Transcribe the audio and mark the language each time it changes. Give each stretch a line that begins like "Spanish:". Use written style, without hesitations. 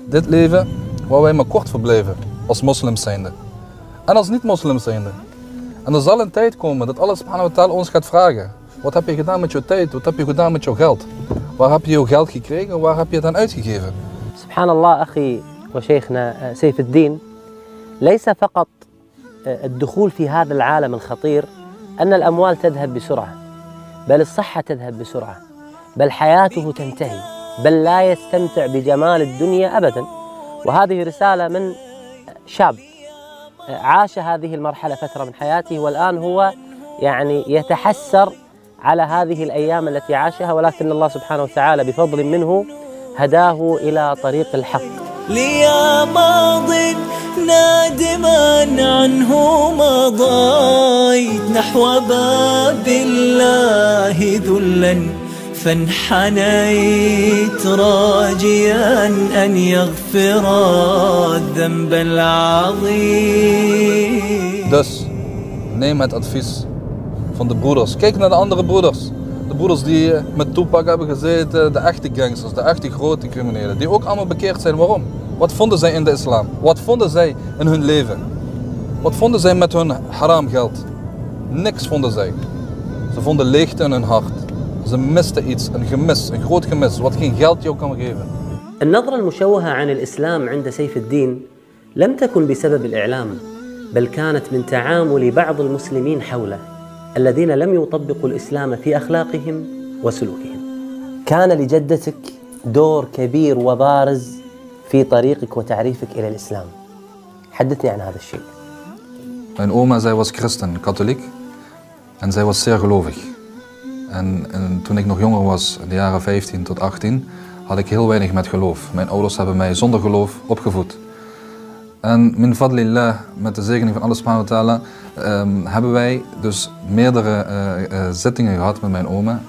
Dutch: Dit leven waar wij maar kort verbleven als moslims zijnde. En als niet-moslims zijnde. En er zal een tijd komen dat Allah subhanahu wa ta'ala ons gaat vragen. Wat heb je gedaan met jouw tijd? Wat heb je gedaan met jouw geld? Waar heb je jouw geld gekregen? Waar heb je het aan uitgegeven?
Arabic: Subhanallah, akhi wa sheikhna Seif al-Din. ليس فقط الدخول في هذا العالم الخطير أن الأموال تذهب بسرعة بل الصحة تذهب بسرعة بل حياته تنتهي بل لا يستمتع بجمال الدنيا أبدا وهذه رسالة من شاب عاش هذه المرحلة فترة من حياته والآن هو يعني يتحسر على هذه الأيام التي عاشها ولكن الله سبحانه وتعالى بفضل منه هداه إلى طريق الحق لي ماضٍ نادما عنه مضيت نحو باب الله ذلا فانحنيت راجيا أن يغفر الذنب العظيم.
Dutch: Dus neem het advies van de broeders. Kijk naar de andere broeders. De broeders die met Tupac hebben gezeten, de echte gangsters, de echte grote criminelen, die ook allemaal bekeerd zijn. Waarom? Wat vonden zij in de islam? Wat vonden zij in hun leven? Wat vonden zij met hun haram geld? Niks vonden zij. Ze vonden leegte in hun hart. Ze misten iets, een gemis, een groot gemis, wat geen geld jou kan geven. Een nadra al-mushawaha aan het islam
Arabic: عند سيف الدين لم تكن بسبب الإعلام بل كانت من تعامل بعض المسلمين حوله الذين لم يطبقوا الإسلام في أخلاقهم وسلوكهم. كان لجدتك دور كبير وبارز في طريقك وتعريفك إلى الإسلام. حدثني عن هذا الشيء.
Dutch: Mijn oma, zij was christen, katholiek. En zij was zeer gelovig. En toen ik nog jonger was, in de jaren 15 tot 18, had ik heel weinig met geloof. Mijn ouders hebben mij zonder geloof opgevoed. En
Arabic: min fadlillah,
Dutch: met de zegening van Allah subhanahu wa ta'ala, hebben wij dus meerdere zittingen gehad met mijn oma.